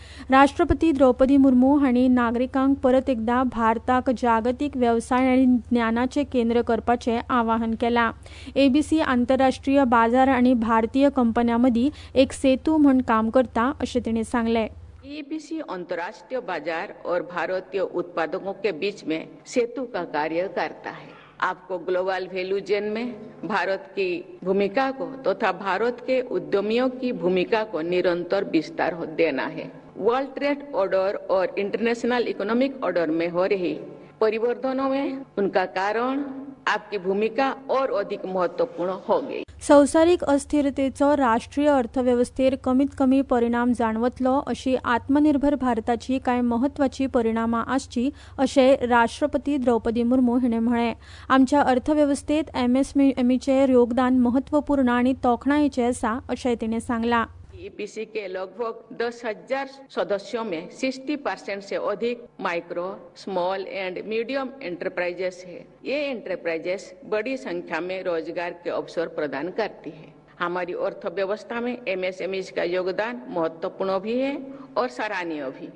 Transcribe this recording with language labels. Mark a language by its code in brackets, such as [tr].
[gom] राष्ट्रपती द्रौपदी मुर्मू हांणी नागरिकांक परत एकदा भारताक जागतिक वेवसाय आणि ज्ञानाचे केंद्र करपाचे आवाहन केला. एबीसी आंतरराष्ट्रीय बाजार आणि भारतीय कंपन्यांमध्ये एक सेतू म्हणून काम करता असे तिने सांगले. [hi] एबीसी आंतरराष्ट्रीय बाजार और भारतीय उत्पादकों के बीच में सेतु का कार्य करता है. आपको ग्लोबल वैल्यू चेन में भारत की भूमिका को तथा भारत के उद्यमियों की भूमिका को निरंतर विस्तार देना है. वर्ल्ड ट्रेड ऑर्डर और इंटरनेशनल इकोनॉमिक ऑर्डर में हो रही परिवर्तनों में उनका कारण आपकी भूमिका और अधिक महत्वपूर्ण हो गई. [gom] संसारीक अस्थिरतेचो राष्ट्रीय अर्थव्यवस्थेर कमीत कमी परिणाम जाणवतलो अशी आत्मनिर्भर भारताची काय महत्वाची परिणामां आसची अशे राष्ट्रपती द्रौपदी मुर्मू हिणे म्हळे. आमच्या अर्थव्यवस्थेत एमएसएमईचे योगदान महत्वपूर्ण आणि तोखणायेचे असा असे तिने सांगला. [hi] ईपीसी के लगभग 10,000 सदस्यों में 60% से अधिक micro small and medium enterprises है. ये एंटरप्राइजेस बड़ी संख्या में रोजगार के अवसर प्रदान करती है. हमारी अर्थव्यवस्था में एमएसएमईज का योगदान महत्वपूर्ण भी है और सराहनीय भी.